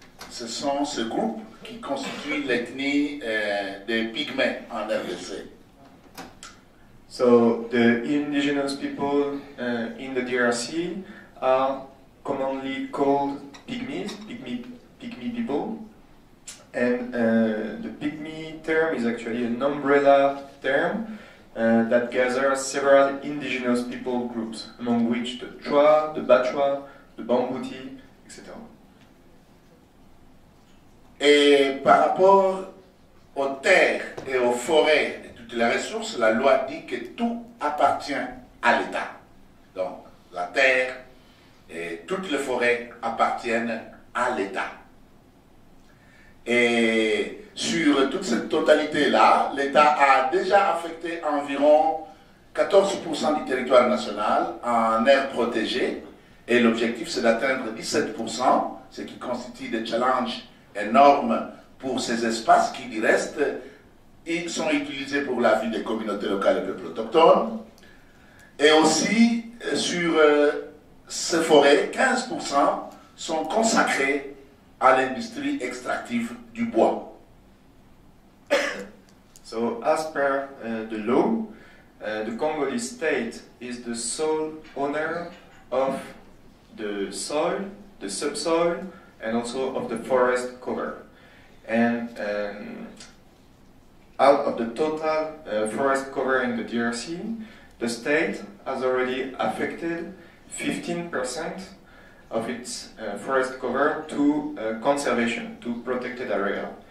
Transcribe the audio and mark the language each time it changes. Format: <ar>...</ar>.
<fr>Ce sont ces groupes qui constituent l'ethnie des pygmées en RDC.</fr> <en>So the indigenous people in the DRC are commonly called pygmy people, and the pygmy term is actually an umbrella term that gather several indigenous people groups, among which the Chwa, the Bachwa, the Bambuti, etc.</en> <fr>Et par rapport aux terres et aux forêts et toutes les ressources, la loi dit que tout appartient à l'État. Donc, la terre et toutes les forêts appartiennent à l'État. Et sur toute cette totalité-là, l'État a déjà affecté environ 14% du territoire national en aires protégées. Et l'objectif, c'est d'atteindre 17%, ce qui constitue des challenges énormes pour ces espaces qui, du reste, sont utilisés pour la vie des communautés locales et des peuples autochtones. Et aussi, sur ces forêts, 15% sont consacrés à l'industrie extractive du bois.</fr> <en>So, as per the law, the Congolese state is the sole owner of the soil, the subsoil, and also of the forest cover. And out of the total forest cover in the DRC, the state has already affected 15% of its forest cover to conservation, to protected area.</en>